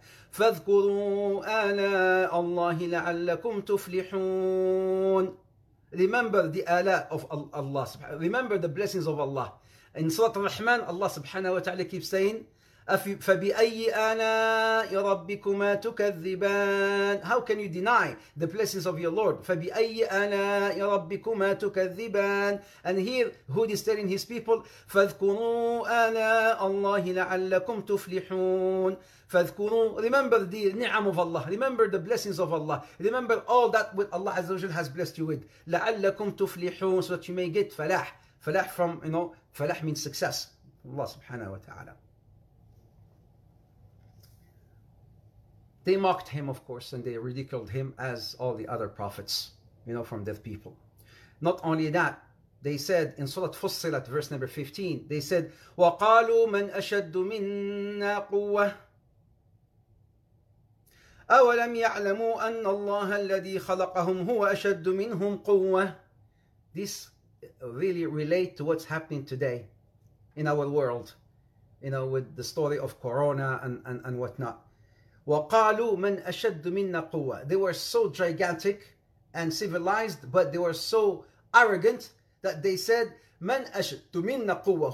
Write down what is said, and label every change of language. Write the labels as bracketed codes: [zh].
[ar] فاذكروا آلاء الله لعلكم تفلحون. [en] Remember the ala of Allah, remember the blessings of Allah. In Surah Al-Rahman, Allah subhanahu wa ta'ala keeps saying, [ar] فبأي آلاء ربكما تكذبان. [en] How can you deny the blessings of your Lord? [ar] فبأي آلاء ربكما تكذبان. [en] And here Hud is telling his people, [ar] فاذكروا آلاء الله لعلكم تفلحون. فاذكروا, [en] remember the ni'am of Allah, remember the blessings of Allah, remember all that what Allah Azza wa Jal has blessed you with. [ar] لعلكم تفلحون, [en] so that you may get falah. Falah from, falah means success. Allah subhanahu wa ta'ala. They mocked him, of course, and they ridiculed him as all the other prophets, from dead people. Not only that, they said in Surah Fussilat, verse number 15, they said, [ar] وَقَالُوا مَنْ أَشَدُّ مِنَّا قُوَّةً أَوَلَمْ يَعْلَمُوا أَنَّ اللَّهَ الَّذِي خَلَقَهُمْ هُوَ أَشَدُّ مِنْهُمْ قُوَّةً. [en] This really relate to what's happening today in our world, with the story of Corona and whatnot. [ar] وَقَالُوا مَنْ أَشَدُّ مِنَّا قُوَّةً. [en] They were so gigantic and civilized, but they were so arrogant that they said, [ar] مَنْ أَشَدُّ مِنَّا قُوَّةً.